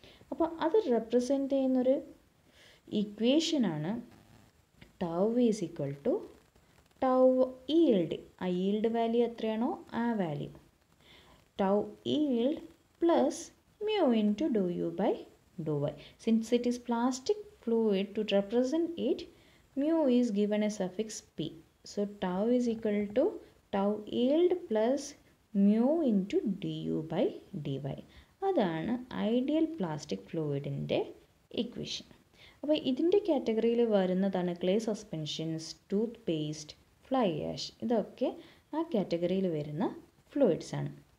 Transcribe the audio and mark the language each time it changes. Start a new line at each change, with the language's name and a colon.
Malayalam: അപ്പോൾ അത് റെപ്രസെൻ്റ് ചെയ്യുന്നൊരു ഇക്വേഷനാണ്
English: Tau is equal to tau yield.
Malayalam: ആ ഈൽഡ് വാല്യൂ എത്രയാണോ ആ value,
English: Tau yield plus mu into d u by d y. Since it is plastic fluid to represent it, mu is given a suffix p. So tau is equal to tau yield plus mu into du by dy.
Malayalam: അതാണ് ideal plastic ഫ്ലൂയിഡിൻ്റെ equation. അപ്പോൾ ഇതിൻ്റെ കാറ്റഗറിയിൽ വരുന്നതാണ് clay suspensions, tooth paste, fly ash, ഇതൊക്കെ ആ കാറ്റഗറിയിൽ വരുന്ന ഫ്ലൂയിഡ്സാണ്.